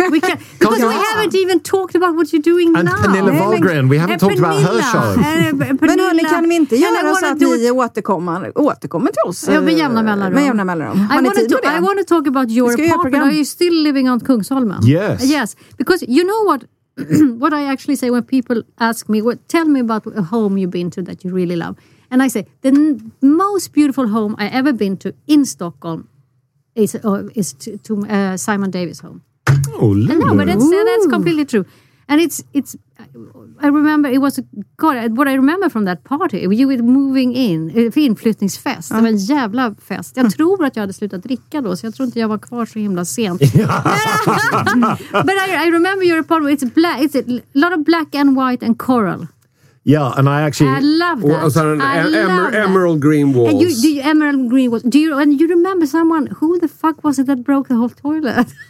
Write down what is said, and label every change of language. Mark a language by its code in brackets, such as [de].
[en] Because we haven't even talked about what you're doing and now. And Pernilla Wahlgren, we haven't talked about her show. [sv] Men hörni, kan vi inte göra så att ni återkommer till oss? Ja, med jämna mellanrum. [en] I want to talk about your apartment. Are you still living on Kungsholmen? Yes. Because you know what? What I actually say when people ask me, tell me about a home you've been to that you really love. And I say, the most beautiful home I ever been to in Stockholm is to Simon Davis' home. Oh, lovely. No, but that's completely true. And it's. I remember it was, what I remember from that party, you were moving in, [sv] inflyttningsfest, det var en jävla fest. Jag tror att jag hade slutat dricka då, så jag tror inte jag var kvar så himla sent. [en] But I remember your apartment, it's a lot of black and white and coral. Yeah, and I actually... I love that. Emerald green walls. Emerald green walls. And you remember someone, who the fuck was it that broke the whole toilet?